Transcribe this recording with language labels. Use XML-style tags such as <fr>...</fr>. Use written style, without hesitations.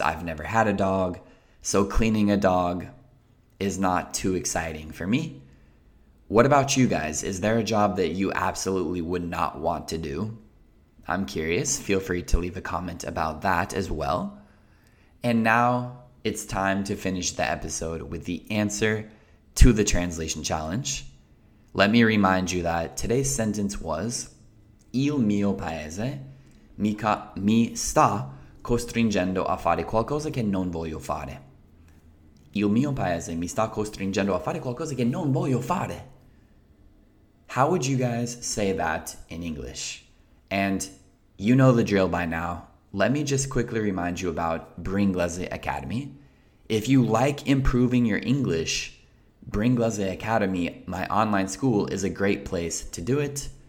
<en>I've never had a dog. So cleaning a dog is not too exciting for me. What about you guys? Is there a job that you absolutely would not want to do? I'm curious. Feel free to leave a comment about that as well. And now it's time to finish the episode with the answer to the translation challenge. Let me remind you that today's sentence was</en> <it>Il mio paese mi sta costringendo a fare qualcosa che non voglio fare. Il mio paese mi sta costringendo a fare qualcosa che non voglio fare.</it> <en>How would you guys say that in English? And you know the drill by now. Let me just quickly remind you about Bringlese Academy. If you like improving your English, Bringlese Academy, my online school, is a great place to do it.</en>